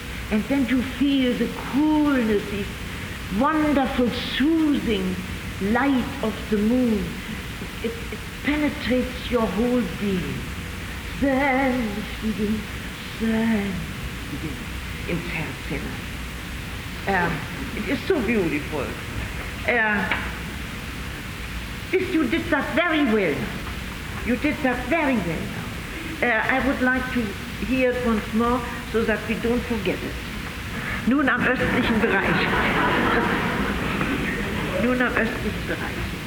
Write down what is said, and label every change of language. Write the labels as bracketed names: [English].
[English] And then you feel the coolness, the wonderful, soothing light of the moon. It penetrates your whole being. [German] Sänftige, sänftige ins Herz hinein. [English] It is so beautiful. You did that very well. You did that very well. I would like to hear it once more, so that we don't forget it. [German] Nun am östlichen Bereich. Nun am östlichen Bereich.